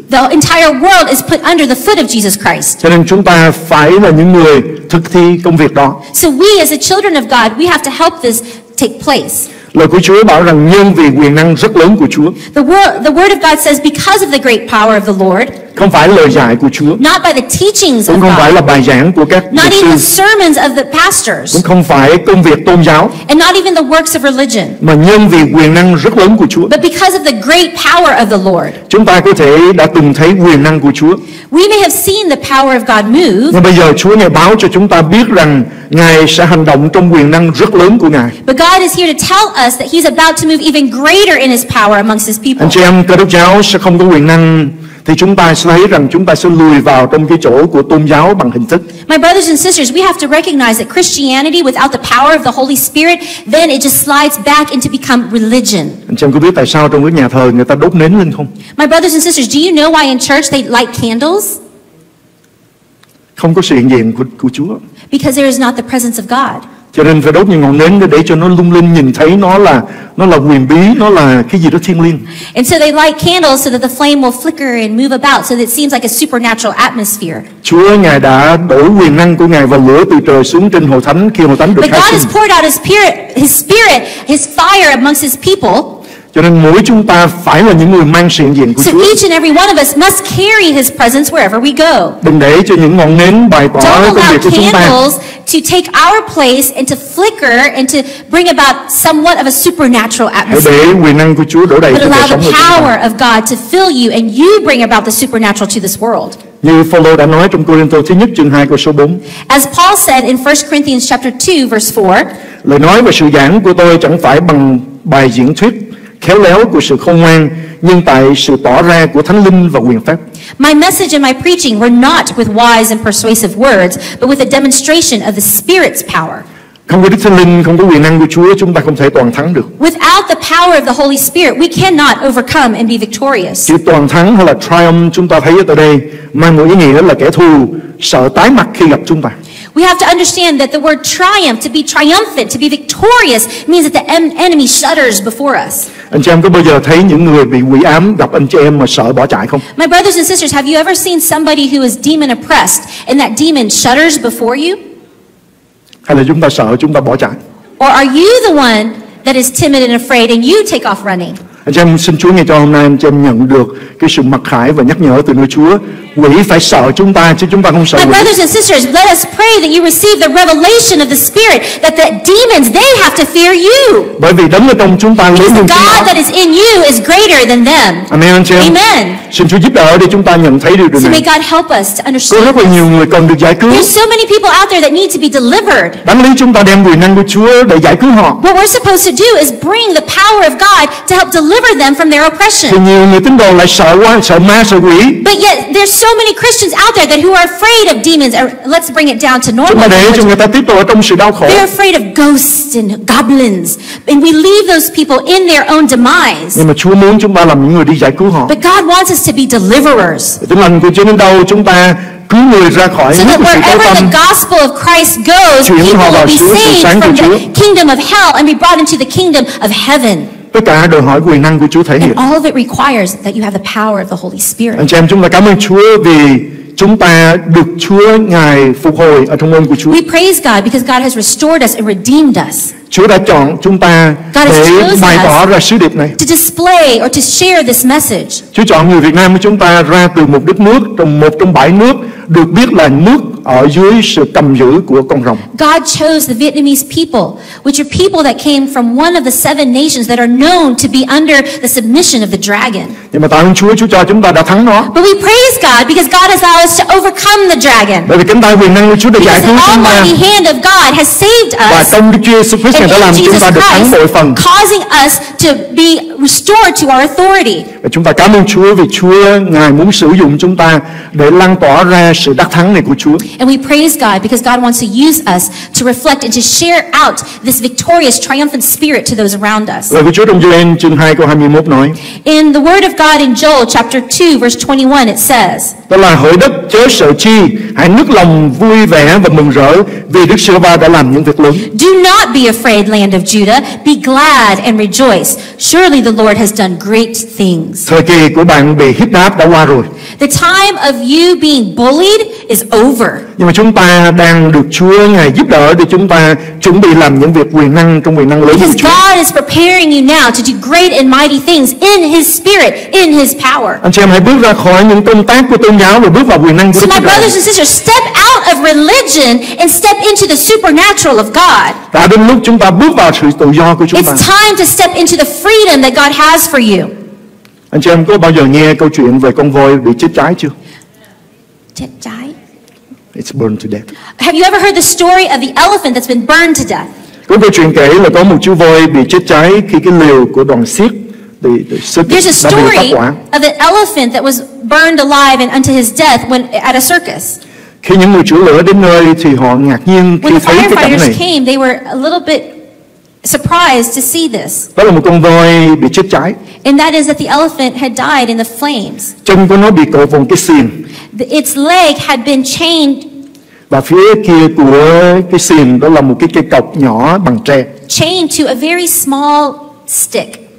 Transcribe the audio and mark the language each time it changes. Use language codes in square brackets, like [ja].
[en] The entire world is put under the foot of Jesus Christ. [vi] Cho nên chúng ta phải là những người thực thi công việc đó. [en] So we, as the children of God, we have to help this take place. [vi] Lời của Chúa bảo rằng nhân vì quyền năng rất lớn của Chúa. [en] The word of God says because of the great power of the Lord. [vi] Không phải lời giảng của Chúa. [en] Not by the teachings of God. [vi] Cũng không phải là bài giảng của các mục sư. [en] Not even the sermons of the pastors. [vi] Cũng không phải công việc tôn giáo. [en] And not even the works of religion. [vi] Mà nhân vì quyền năng rất lớn của Chúa. [en] But because of the great power of the Lord. [vi] Chúng ta có thể đã từng thấy quyền năng của Chúa. [en] We may have seen the power of God move. [vi] Nhưng bây giờ Chúa Ngài báo cho chúng ta biết rằng Ngài sẽ hành động trong quyền năng rất lớn của Ngài. [en] But God is here to tell us that He's about to move even greater in His power amongst His people. [vi] Anh chị em, Cơ Đốc giáo sẽ không có quyền năng thì chúng ta sẽ thấy rằng chúng ta sẽ lùi vào trong cái chỗ của tôn giáo bằng hình thức. [en] My brothers and sisters, we have to recognize that Christianity without the power of the Holy Spirit, then it just slides back into become religion. [vi] Anh chị em có biết tại sao trong cái nhà thờ người ta đốt nến lên không? [en] My brothers and sisters, do you know why in church they light candles? [vi] Không có sự hiện diện của Chúa. [en] Because there is not the presence of God. [vi] Cho nên phải đốt những ngọn nến để cho nó lung linh, nhìn thấy nó là quyền bí, nó là cái gì đó thiêng liêng. [en] And so they light candles so that the flame will flicker and move about so that it seems like a supernatural atmosphere. [vi] Chúa Ngài đã đổ quyền năng của Ngài và lửa từ trời xuống trên hội thánh khi hội thánh được khai sinh. [en] But God has poured out His spirit, His fire amongst His people. [vi] Cho nên mỗi chúng ta phải là những người mang sự hiện diện của Chúa. [en] So each and every one of us must carry His presence wherever we go. [vi] Đừng để cho những ngọn nến bày tỏ công việc của chúng ta. [en] To take our place and to flicker and to bring about somewhat of a supernatural atmosphere. [vi] Để quyền năng của Chúa đổ đầy cho đời sống của [en] power of God to fill you and you bring about the supernatural to this world. [vi] Như Phaolô đã nói trong Cô-rinh-tô thứ nhất chương 2 câu số 4. [en] As Paul said in 1 Corinthians chapter 2 verse 4. [vi] Lời nói và sự giảng của tôi chẳng phải bằng bài diễn thuyết khéo léo của sự khôn ngoan, nhưng tại sự tỏ ra của Thánh Linh và quyền phép. [en] My message and my preaching were not with wise and persuasive words, but with a demonstration of the Spirit's power. [vi] Không có Đức Thánh Linh, không có quyền năng của Chúa, chúng ta không thể toàn thắng được. [en] Without the power of the Holy Spirit, we cannot overcome and be victorious. [vi] Chữ toàn thắng hay là triumph chúng ta thấy ở đây mang một ý nghĩa là kẻ thù sợ tái mặt khi gặp chúng ta. [en] We have to understand that the word triumph, to be triumphant, to be victorious, means that the enemy shudders before us. [vi] Anh chị em có bao giờ thấy những người bị quỷ ám gặp anh chị em mà sợ bỏ chạy không? [en] My brothers and sisters, have you ever seen somebody who is demon oppressed and that demon shudders before you? [vi] Hay là chúng ta sợ chúng ta bỏ chạy? [en] Or are you the one that is timid and afraid and you take off running? [vi] Anh chị em xin Chúa nghe cho hôm nay anh chị em nhận được cái sự mặc khải và nhắc nhở từ nơi Chúa quỷ phải sợ chúng ta chứ chúng ta không sợ. [en] But brothers and sisters, let us pray that you receive the revelation of the Spirit that the demons they have to fear you. [vi] Bởi vì đấng ở trong chúng ta lớn hơn chúng ta. [en] Because God that is in you is greater than them. Amen. Amen. [vi] Xin Chúa giúp đỡ để chúng ta nhận thấy điều này. [en] So may God help us to understand. [vi] Có rất là nhiều người cần được giải cứu. [en] There's so many people out there that need to be delivered. [vi] Đáng lý chúng ta đem quyền năng của Chúa để giải cứu họ. [en] What we're supposed to do is bring the power of God to help deliver them from their oppression. [vi] Thì nhiều người tin đồ lại sợ quá, sợ ma, sợ quỷ. [en] But yet there's so many Christians out there that who are afraid of demons. Let's bring it down to normal. [vi] Chúng ta để cho người ta tiếp tục ở trong sự đau khổ. [en] They're afraid of ghosts and goblins, and we leave those people in their own demise. [vi] Nhưng mà Chúa muốn chúng ta làm những người đi giải cứu họ. [en] But God wants us to be deliverers. [vi] Tin lành của Chúa đến đâu chúng ta cứu người ra khỏi [en] so that wherever the gospel of Christ goes, people will be saved from the kingdom of hell and be brought into the kingdom of heaven. [vi] Tất cả đòi hỏi quyền năng của Chúa thể hiện. [en] And all of it requires that you have the power of the Holy Spirit. [vi] Anh chị em, chúng ta cảm ơn Chúa vì chúng ta được Chúa Ngài phục hồi ở trong ơn của Chúa. [en] We praise God because God has restored us and redeemed us. [vi] Chúa đã chọn chúng ta để bày tỏ ra sứ điệp này. [en] To display or to share this message. [vi] Chúa chọn người Việt Nam của chúng ta ra từ một đất nước, trong một trong bảy nước được biết là nước ở dưới sự cầm giữ của con rồng. [en] God chose the Vietnamese people, which are people that came from one of the seven nations that are known to be under the submission of the dragon. [vi] Nhưng mà tạ ơn Chúa, Chúa cho chúng ta đã thắng nó. [en] But we praise God because God has allowed us to overcome the dragon. [vi] Bởi vì cánh tay quyền năng của Chúa đã giải cứu chúng ta. [en] Because the almighty hand of God has saved us. [vi] Và trong Đức Chúa Jesus Christ đã làm chúng ta được thắng mọi phần. [en] Causing us to be restored to our authority. [vi] Và chúng ta cảm ơn Chúa vì Chúa Ngài muốn sử dụng chúng ta để lan tỏa ra sự đắc thắng này của Chúa. [en] And we praise God because God wants to use us to reflect and to share out this victorious, triumphant spirit to those around us. [vi] Lời của Chúa trong Joel chương 2 câu 21 nói. [en] In the word of God in Joel chapter 2 verse 21 it says. [vi] Đó là hỡi đất chớ sợ chi, hãy nức lòng vui vẻ và mừng rỡ vì Đức Giê-hô-va đã làm những việc lớn. [en] Do not be afraid, land of Judah, be glad and rejoice. Surely the Lord has done great things. [vi] Thời kỳ của bạn bị hiếp đáp đã qua rồi. [en] The time of you being bullied is over. [vi] Nhưng mà chúng ta đang được Chúa Ngài giúp đỡ để chúng ta chuẩn bị làm những việc quyền năng trong quyền năng lớn của Chúa. [en] God is preparing you now to do great and mighty things in His Spirit, in His power. [vi] Anh chị em hãy bước ra khỏi những công tác của tôn giáo và bước vào quyền năng của Chúa. [en] So my brothers and sisters, step out of religion and step into the supernatural of God. [vi] Đã đến lúc chúng ta bước vào sự tự do của Chúa. [en] It's time to step into the freedom that God has for you. [vi] Anh chị em có bao giờ nghe câu chuyện về con voi bị chết cháy chưa? Chết cháy? [en] It's burned to death. Have you ever heard the story of the elephant that's been burned to death? [vi] Có câu chuyện kể là có một chú voi bị chết cháy khi cái lều của đoàn xiếc [en] There's a story of an elephant that was burned alive and unto his death when at a circus. [vi] Khi những người chủ lửa đến nơi thì họ ngạc nhiên khi thấy cái cảnh này. [en] When the firefighters came, they were a little bit surprised to see this. [vi] Đó là một con voi bị chết cháy. [en] And that is that the elephant had died in the flames. [vi] Chân của nó bị cột vào cái xiềng. [en] Its leg had been chained. [vi] Và phía kia của cái xiềng đó là một cái cây cọc nhỏ bằng tre. [en] Chained to a very small stick.